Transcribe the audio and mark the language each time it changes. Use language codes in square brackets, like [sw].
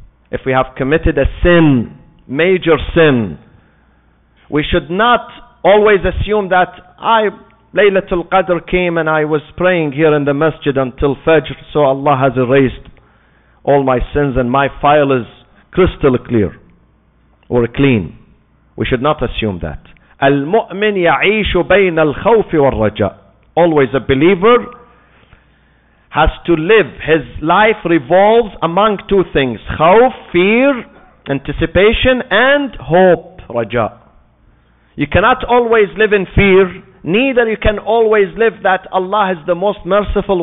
[en] If we have committed a sin, major sin, we should not always assume that Laylatul Qadr came and I was praying here in the masjid until Fajr, so Allah has erased all my sins and my file is crystal clear or clean. We should not assume that. [ar] المؤمن يعيش بين الخوف والرجاء. [en] Always a believer has to live. His life revolves among two things. Khawf, fear, anticipation, and hope, raja. You cannot always live in fear. Neither you can always live that Allah is the most merciful.